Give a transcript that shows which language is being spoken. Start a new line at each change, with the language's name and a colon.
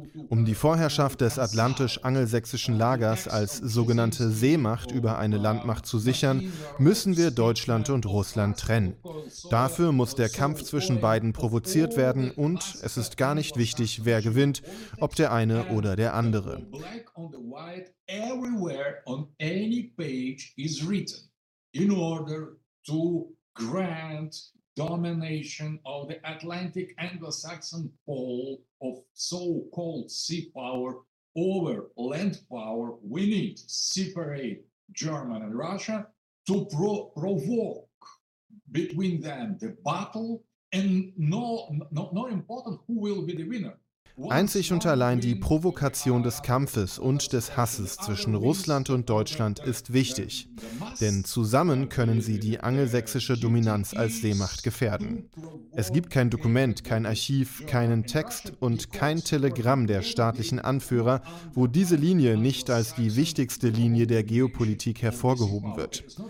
German: Um die Vorherrschaft des atlantisch-angelsächsischen Lagers als sogenannte Seemacht über eine Landmacht zu sichern, müssen wir Deutschland und Russland trennen. Dafür muss der Kampf zwischen beiden provoziert werden und es ist gar nicht wichtig, wer gewinnt, ob der eine oder der andere.
English: Black on the white, everywhere on any page is written, in order to grant domination of the Atlantic Anglo-Saxon pole of so-called sea power over land power, we need separate German and Russia to provoke between them the battle and no important who will be the winner.
German: Einzig und allein die Provokation des Kampfes und des Hasses zwischen Russland und Deutschland ist wichtig, denn zusammen können sie die angelsächsische Dominanz als Seemacht gefährden. Es gibt kein Dokument, kein Archiv, keinen Text und kein Telegramm der staatlichen Anführer, wo diese Linie nicht als die wichtigste Linie der Geopolitik hervorgehoben wird.